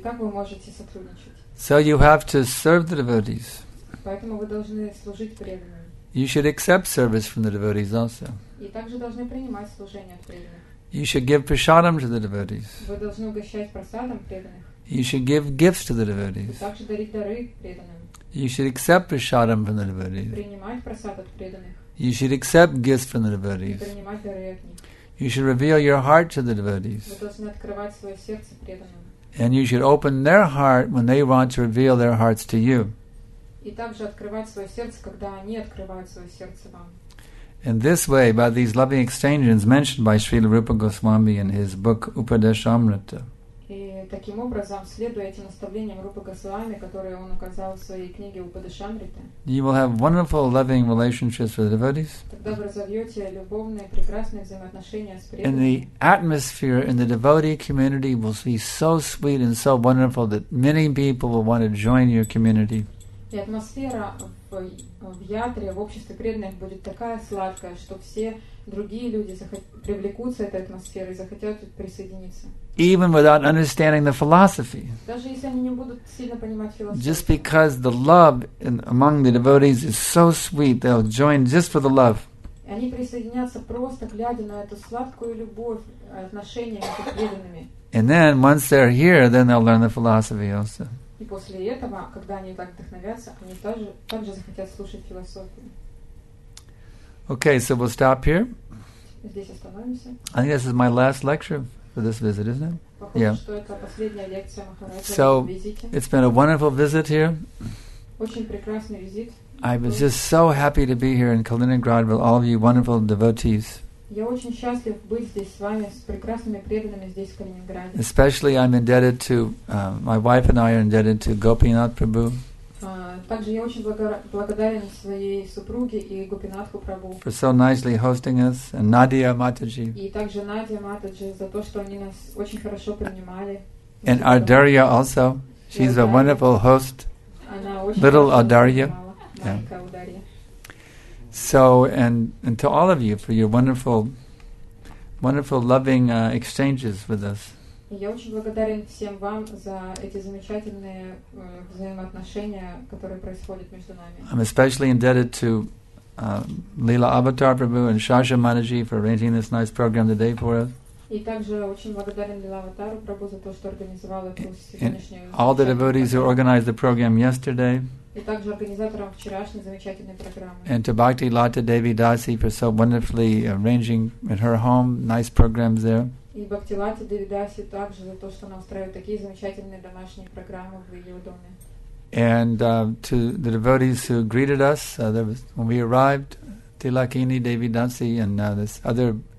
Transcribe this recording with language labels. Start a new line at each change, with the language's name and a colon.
Russian: как вы можете сотрудничать?
English: So you have to serve the devotees.
Russian: Поэтому вы должны служить преданным.
English: You should accept service from the devotees also.
Russian: И также должны принимать служение от преданных.
English: You should give prasadam to the devotees.
Russian: Вы должны угощать прасадам преданных.
English: You should give gifts to the devotees.
Russian: Вы также дарить дары преданным.
English: You should accept prasadam from the devotees.
Russian: Принимать прасад от преданных.
English: You should accept gifts from the devotees.
Russian: И принимать дары от них.
English: You should reveal your heart to the devotees.
Russian: Вы должны открывать свое сердце преданным.
English: And you should open their heart when they want to reveal their hearts to you.
Russian: И также открывать свое сердце, когда они открывают свое сердце вам.
English: In this way, by these loving exchanges mentioned by Srila Rupa Goswami in his book Upadeshamrita.
Russian: И таким образом, следуя этим наставлениям Рупы Госвами, которые он указал в своей книге Упадешамрита,
English: you will have wonderful loving relationships with devotees.
Russian: Тогда вы разовьете любовные, прекрасные взаимоотношения с преданными.
English: And the atmosphere in the devotee community will be so sweet and so wonderful that many people will want to join your community.
Russian: И атмосфера в ятре, в обществе преданных будет такая сладкая, что все другие люди привлекутся этой атмосферой и захотят присоединиться.
English: Even without understanding the philosophy.
Russian: Даже если они не будут сильно понимать философию.
English: Just because the love among the devotees is so sweet, they'll join just for the love.
Russian: Они присоединятся просто глядя на эту сладкую любовь, отношения между преданными.
English: And then once they're here, then they'll learn the philosophy also.
Russian: И после этого, когда они так вдохновятся, они также захотят слушать философию.
English: Okay, so we'll stop here.
Russian: Здесь остановимся.
English: I think this is my last lecture for this visit, isn't it?
Russian: Похоже, yeah. Что это последняя лекция Махараджа.
English: So, it's been a wonderful visit here.
Russian: Очень прекрасный визит.
English: I was just so happy to be here in Kaliningrad with all of you wonderful devotees.
Russian: Я очень счастлив быть здесь с вами, с прекрасными преданными здесь, в Калининграде.
English: Especially I'm indebted to, my wife and I are indebted to Gopinath Prabhu.
Russian: Также я очень благодарен своей супруге и Гопинатху Прабху.
English: For so nicely hosting us, and Nadia Mataji.
Russian: И также Nadia Mataji за то, что они нас очень хорошо принимали.
English: And Ardarya also. She's a wonderful host.
Russian: Она очень
English: Little Ardarya. Yeah. So, and to all of you for your wonderful, wonderful loving exchanges with us.
Russian: Я очень благодарен всем вам за эти замечательные взаимоотношения, которые происходят между нами.
English: I'm especially indebted to Leela Avatar Prabhu and Shasha Manaji for arranging this nice program today for us.
Russian: И также очень благодарен Leela Avatar Prabhu за то, что организовал эту сегодняшнюю.
English: All the devotees who organized the program yesterday.
Russian: И также организаторам вчерашней замечательной программы.
English: And to Bhakti Lata Devi Dasi for so wonderfully arranging in her home nice programs there.
Russian: И Бхакти Лата Деви Даси также за то, что она устраивает такие замечательные домашние программы в ее доме.
English: And to the devotees who greeted us there was, when we arrived, Tilakini Devi Dasi and this other